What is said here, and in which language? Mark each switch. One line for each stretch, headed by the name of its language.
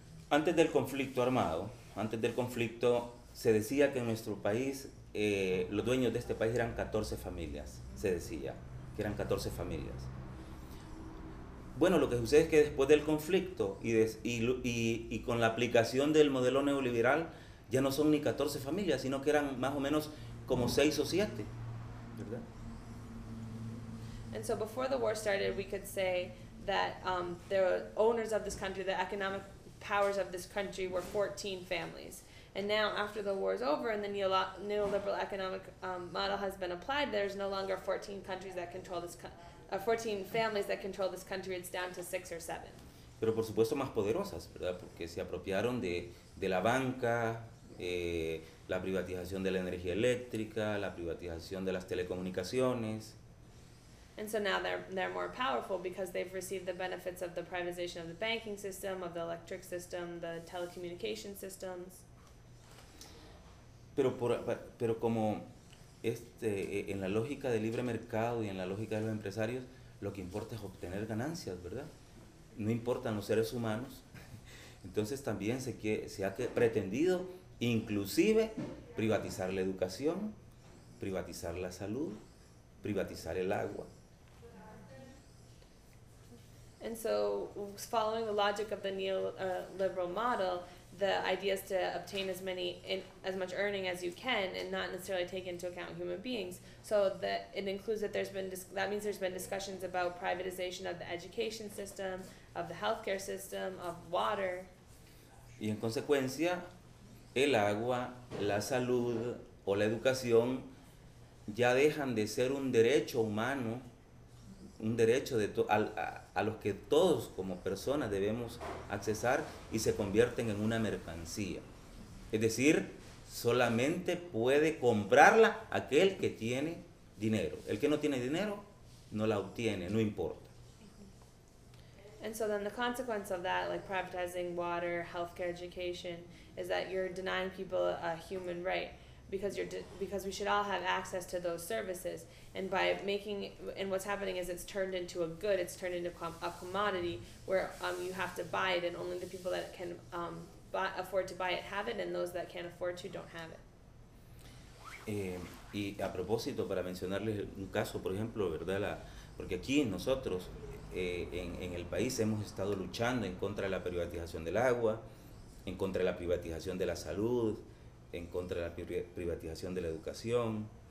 Spanish: Antes del conflicto armado, antes del conflicto, se decía que en nuestro país los dueños de este país eran 14 familias, se decía, que eran 14 familias. Bueno, lo que sucede es que después del conflicto y con la aplicación del modelo neoliberal, ya no son ni 14 familias, sino que eran más o menos como 6 o 7, ¿verdad?
English: And so before the war started, we could say that the owners of this country, the economic powers of this country were 14 families. And now, after the war is over and the neoliberal economic model has been applied, there's no longer 14 countries that control this, 14 families that control this country. It's down to 6 or 7.
Spanish: Pero por supuesto más poderosas, ¿verdad? Porque se apropiaron de la banca, la privatización de la energía eléctrica, la privatización de las telecomunicaciones.
English: And so now they're more powerful because they've received the benefits of the privatization of the banking system, of the electric system, the telecommunication systems.
Spanish: Pero como en la lógica del libre mercado y en la lógica de los empresarios, lo que importa es obtener ganancias, ¿verdad? No importan los seres humanos. Entonces también se ha pretendido inclusive privatizar la educación, privatizar la salud, privatizar el agua.
English: And so, following the logic of the neoliberal model, the idea is to obtain as much earning as you can and not necessarily take into account human beings. So that it includes that there's been discussions about privatization of the education system, of the healthcare system, of water.
Spanish: Y en consecuencia, el agua, la salud o la educación ya dejan de ser un derecho humano, un derecho a los que todos como personas debemos accesar y se convierten en una mercancía. Es decir, solamente puede comprarla aquel que tiene dinero. El que no tiene dinero no la obtiene, no importa.
English: And so then the consequence of that, like privatizing water, healthcare, education, is that you're denying people a human right. Because we should all have access to those services, and what's happening is it's turned into a good, it's turned into a commodity where you have to buy it, and only the people that can afford to buy it have it, and those that can't afford to don't have it.
Spanish: Y a propósito, para mencionarles un caso, por ejemplo, ¿verdad? Porque aquí nosotros en el país hemos estado luchando en contra de la privatización del agua, en contra de la privatización de la salud, en contra de la privatización de la educación.